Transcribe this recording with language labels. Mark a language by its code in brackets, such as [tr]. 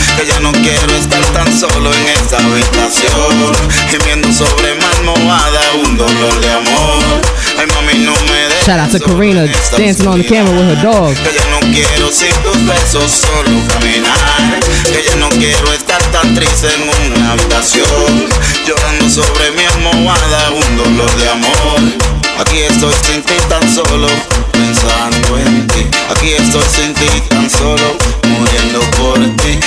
[es] Que ya no quiero estar tan solo en esta habitación, gimiendo sobre mi almohada un dolor de amor. Ay, mami, no me dejes. [en] Shout out to Karina dancing on the camera with her dog. [es] Que ya no quiero sin tus besos solo caminar. Que ya no quiero estar tan triste en una habitación, llorando sobre mi almohada un dolor de amor. Aquí estoy sin ti tan solo pensando en ti. Aquí estoy sin ti tan solo muriendo por ti.